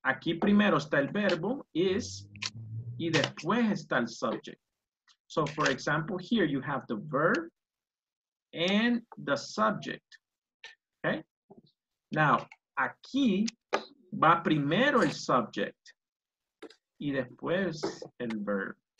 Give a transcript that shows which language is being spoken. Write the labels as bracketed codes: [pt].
[es] Aquí primero está el verbo, is, y después está el subject. [en] So for example, here you have the verb and the subject, okay? [es] Now, aquí va primero el subject y después el verb.